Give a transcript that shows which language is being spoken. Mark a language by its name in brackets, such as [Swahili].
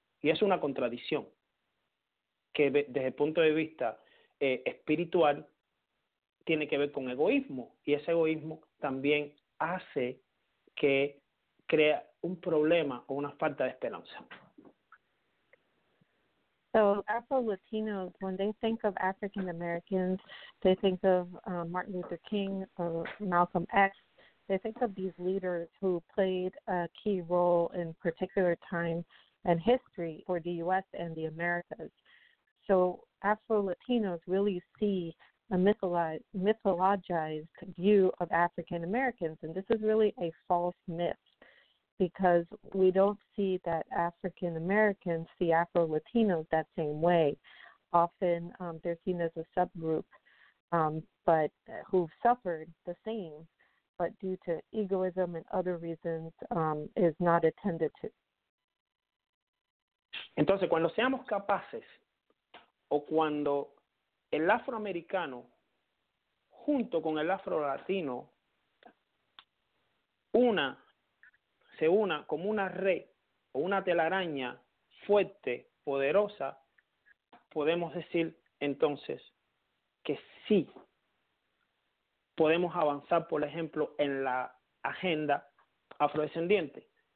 [Spanish] Y es una contradicción que desde el punto de vista espiritual tiene que ver con egoísmo, y ese egoísmo también hace que crea un problema o una falta de esperanza. [English] So Afro-Latinos, when they think of African-Americans, they think of Martin Luther King or Malcolm X. They think of these leaders who played a key role in particular time and history for the U.S. and the Americas. So Afro-Latinos really see a mythologized view of African-Americans, and this is really a false myth, because we don't see that African-Americans see Afro-Latinos that same way. Often they're seen as a subgroup but who've suffered the same, but due to egoism and other reasons is not attended to. [Spanish] Entonces, cuando seamos capaces, o cuando el afroamericano junto con el afro-latino se una como una red o una telaraña fuerte, poderosa, podemos decir entonces que sí podemos avanzar, por ejemplo, en la agenda afrodescendiente.